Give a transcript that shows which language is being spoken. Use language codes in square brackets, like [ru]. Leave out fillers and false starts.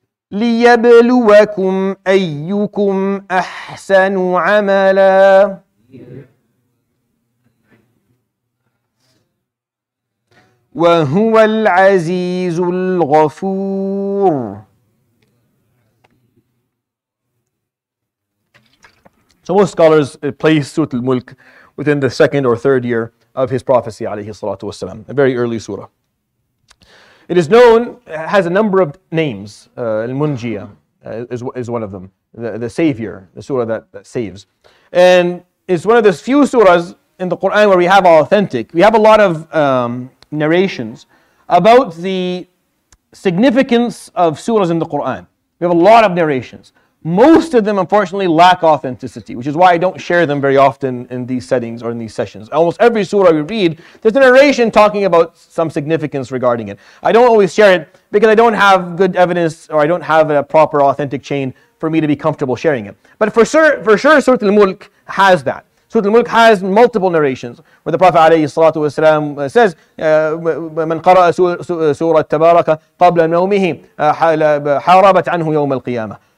[ar] ليبلوكم أيكم أحسن عملا وهو العزيز الغفور. [en] So most scholars place Surah Al-Mulk within the second or third year of his prophecy, alayhi salatu wasalam, a very early surah. It is known, has a number of names. Al-Munjiya is one of them, the savior, the surah that saves. And it's one of the few surahs in the Quran where we have authentic. We have a lot of narrations about the significance of surahs in the Quran. We have a lot of narrations. Most of them, unfortunately, lack authenticity, which is why I don't share them very often in these settings or in these sessions. Almost every surah we read, there's a narration talking about some significance regarding it. I don't always share it because I don't have good evidence or I don't have a proper authentic chain for me to be comfortable sharing it. But for sure, Surah Al-Mulk has that. Surah Al-Mulk has multiple narrations where the Prophet ﷺ says, [ar] "من قرأ سورة تبارك قبل نومه حاربت عنه يوم القيامة."